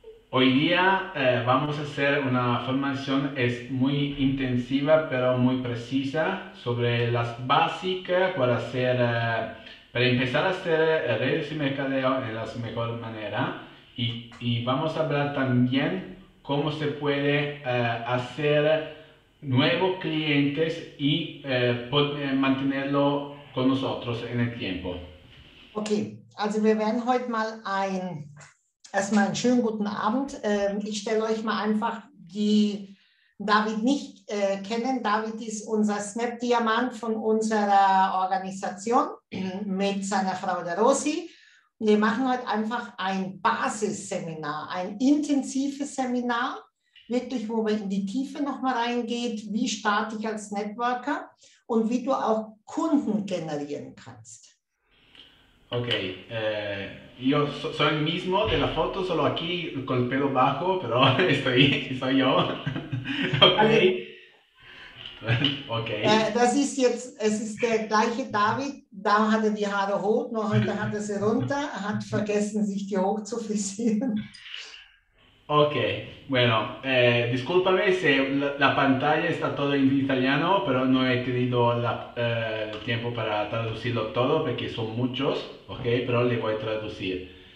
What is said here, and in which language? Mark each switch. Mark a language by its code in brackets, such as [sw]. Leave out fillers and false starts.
[es] Hoy día vamos a hacer una formación es muy intensiva pero muy precisa sobre las básicas para empezar a hacer redes y mercadeo en la mejor manera y vamos a hablar también cómo se puede hacer nuevos clientes y mantenerlo con nosotros en el tiempo. [de] Okay, also wir werden heute mal erstmal einen schönen guten Abend. Ich stelle euch mal einfach die David nicht kennen. David ist unser Snap-Diamant von unserer Organisation mit seiner Frau der Rosi. Wir machen heute einfach ein Basisseminar, ein intensives Seminar, wirklich, wo wir in die Tiefe nochmal reingeht. Wie starte ich als Networker und wie du auch Kunden generieren kannst. [es] Okay, yo soy el mismo de la foto, solo aquí con el pelo bajo, pero soy yo. [de] Also, Okay. Okay. das ist jetzt, es ist der gleiche David, da hatte er die Haare hoch, nur heute hat er sie runter, hat vergessen, sich die hoch zu frisieren. [es] Okay, bueno, discúlpame si la pantalla está todo en italiano, pero no he tenido tiempo para traducirlo todo porque son muchos, ok, pero le voy a traducir.